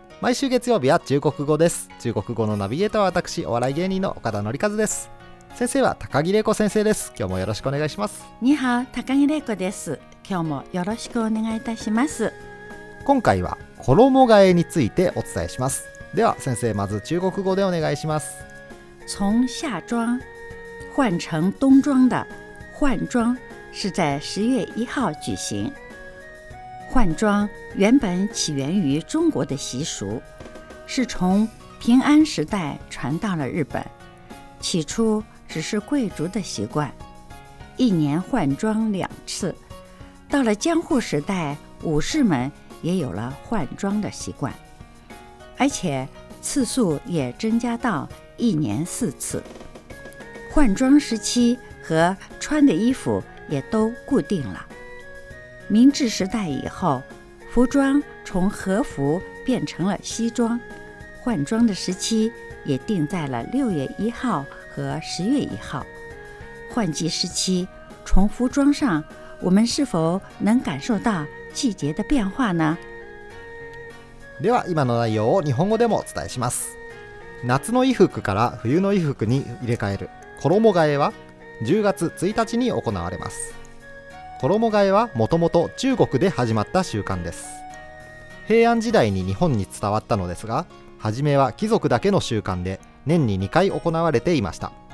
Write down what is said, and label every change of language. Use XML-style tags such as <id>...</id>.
<ja>毎週月曜日は中国語です。中国語のナビゲーターは私、お笑い芸人の岡田紀一です。先生は高木玲子先生です。今日もよろしくお願いします。ニハオ、高木玲子です。今日もよろしくお願いいたします。今回は衣替えについてお伝えします。では先生、まず中国語でお願いします。</ja> <zh>从夏装换成冬装的换装是在10月1号举行。换装原本起源于中国的习俗，是从平安时代传到了日本，起初只是贵族的习惯，一年换装两次。到了江户时代，武士们也有了换装的习惯，而且次数也增加到一年四次。换装时期和穿的衣服也都固定了。明治时代以后，服装从和服变成了西装，换装的时期也定在了6月1号和10月1号。换季时期，从服装上，我们是否能感受到季节的变化呢？</zh> <ja>では、今の内容を日本語でもお伝えします。夏の衣服から冬の衣服に入れ替える衣替えは10月1日に行われます。衣替えはもともと中国で始まった習慣です。平安時代に日本に伝わったのですが、初めは貴族だけの習慣で年に2回行われていました。</ja>